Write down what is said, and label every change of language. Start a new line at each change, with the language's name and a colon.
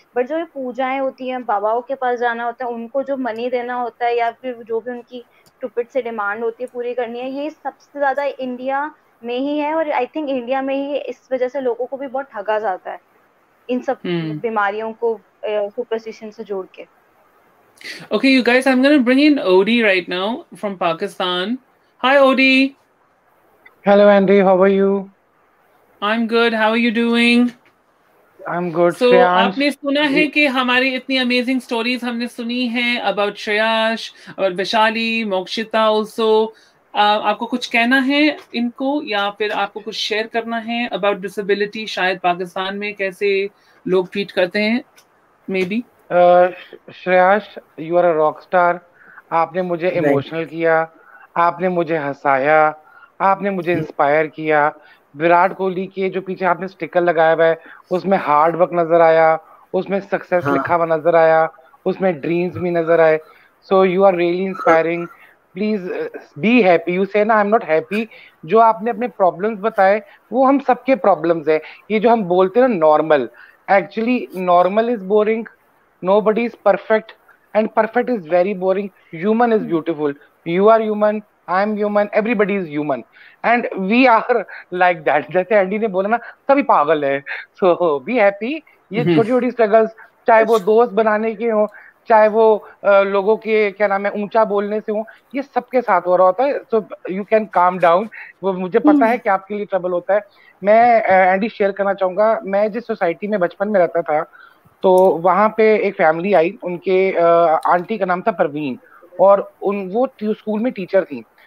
Hindi: But जो ये पूजाएं होती हैं, बाबाओं के पास जाना होता है, उनको जो मनी देना होता है या फिर जो भी उनकी टुपिट से डिमांड होती है पूरी करनी है, ये सबसे ज्यादा इंडिया में ही है, और आई थिंक इंडिया में ही इस वजह से लोगों को भी बहुत ठगा जाता है इन सब बीमारियों को सुपरस्टिशन से जोड़ के.
English: Okay, you guys, I'm gonna bring in Odie right now from Pakistan. Hi, Odie. Hello, Andy. How are you? I'm good. How are you doing? I'm good.
Hindi: So, आपने सुना है कि हमारी इतनी amazing stories हमने सुनी हैं about Shreyash, about Vishali, Mokshita also. आपको कुछ कहना है इनको या फिर आपको कुछ शेयर करना है अबाउट डिसेबिलिटी, शायद पाकिस्तान में कैसे लोग ट्रीट करते हैं, maybe. श्रेयाश,
English: You are a rock star.
Hindi: आपने मुझे इमोशनल किया, आपने मुझे हंसाया, आपने मुझे इंस्पायर किया. विराट कोहली के जो पीछे आपने स्टिकर लगाया हुआ है उसमें हार्ड वर्क नजर आया, उसमें सक्सेस लिखा हुआ नजर आया, उसमें ड्रीम्स भी नजर आए.
English: So you are really inspiring. Please be happy. You say ना I am not happy.
Hindi: जो आपने अपने प्रॉब्लम्स बताए वो हम सबके प्रॉब्लम्स है. ये जो हम बोलते हैं ना normal,
English: Actually normal is boring. Nobody is perfect, and perfect is very boring. Human is beautiful. You are human, I am human, everybody is human. And we are like that.
Hindi: जैसे Andy ने बोला ना, सभी पागल है.
English: So be happy.
Hindi: ये छोटी छोटी struggles, चाहे वो दोस्त बनाने के हो, चाहे वो लोगों के क्या नाम है ऊंचा बोलने से हो, ये सबके साथ हो रहा होता है.
English: So you can calm down.
Hindi: वो मुझे पता है कि आपके लिए trouble होता है. मैं एंडी share करना चाहूंगा, मैं जिस सोसाइटी में बचपन में रहता था तो वहाँ पे एक फैमिली आई, उनके आंटी का नाम था परवीन और वो स्कूल में टीचर थी.